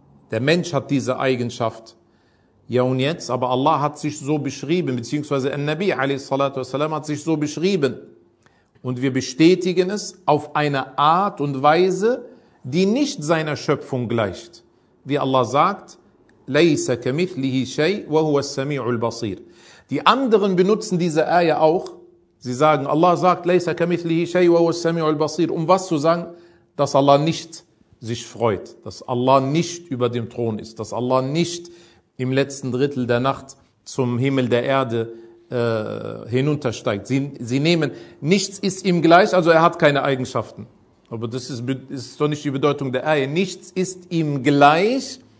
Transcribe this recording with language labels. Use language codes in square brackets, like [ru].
[de] Der Mensch hat diese Eigenschaft. Ja und jetzt? Aber Allah hat sich so beschrieben, beziehungsweise An-Nabi alayhi salatu wasalam hat sich so beschrieben. Und wir bestätigen es auf eine Art und Weise, die nicht seiner Schöpfung gleicht. Wie Allah sagt, [ar] لَيْسَ كَمِثْلِهِ شَيْءٍ وَهُوَ السَّمِيعُ الْبَصِيرُ. [de] Die anderen benutzen diese Ayah auch. Sie sagen, Allah sagt, [ar] لَيْسَ كَمِثْلِهِ شَيْءٍ وَهُوَ السَّمِيعُ الْبَصِيرُ. [de] Um was zu sagen? Dass Allah nicht sich freut, dass Allah nicht über dem Thron ist, dass Allah nicht im letzten Drittel der Nacht zum Himmel der Erde hinuntersteigt. Sie nehmen, nichts ist ihm gleich, also er hat keine Eigenschaften. Aber das ist doch nicht die Bedeutung der Ayah. Nichts ist ihm gleich.